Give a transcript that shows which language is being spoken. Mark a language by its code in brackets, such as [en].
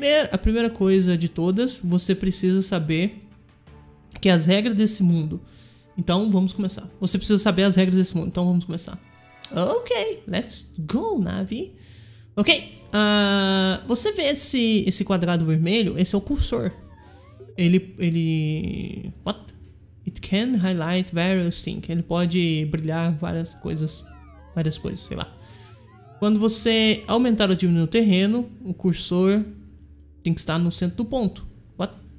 [pt] A primeira coisa de todas, você precisa saber que as regras desse mundo. Então vamos começar. Você precisa saber as regras desse mundo, então vamos começar. [en] Ok, let's go, Navi. [pt] Ok, você vê esse quadrado vermelho? Esse é o cursor. Ele... [en] What? It can highlight various things. [pt] Ele pode brilhar várias coisas. Várias coisas, sei lá. Quando você aumentar ou diminuir o terreno, o cursor tem que estar no centro do ponto. [en] What?